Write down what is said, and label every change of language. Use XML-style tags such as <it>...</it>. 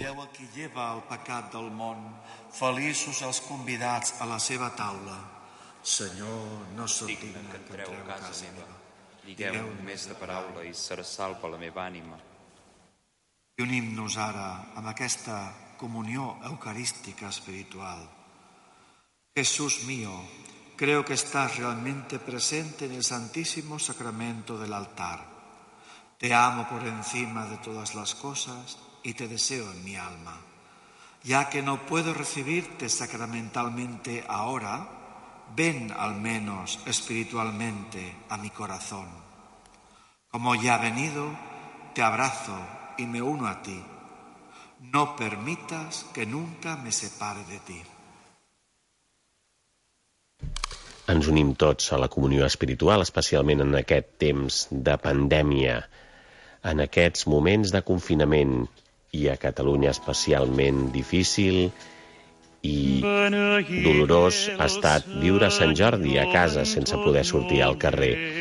<ca>Lleveu el qui lleva el pecat del món, feliços els convidats a la seva taula. Senyor, no sóc digne que entreu a casa meva. Digueu més de paraula i serà salva la meva ànima. I unim-nos ara amb aquesta comunió eucarística espiritual.</ca> <es>Jesús mío, creo que estás realmente presente en el santísimo sacramento del altar. Te amo por encima de todas las cosas y te deseo en mi alma. Ya que no puedo recibirte sacramentalmente ahora, ven al menos espiritualmente a mi corazón. Como ya he venido, te abrazo y me uno a ti. No permitas que nunca me separe de ti.</es> <ca>Ens unim tots a la comunió espiritual, especialment en aquest temps de pandèmia, en aquests moments de confinament, i a Catalunya especialment difícil i dolorós ha estat viure Sant Jordi a casa sense poder sortir al carrer.</ca>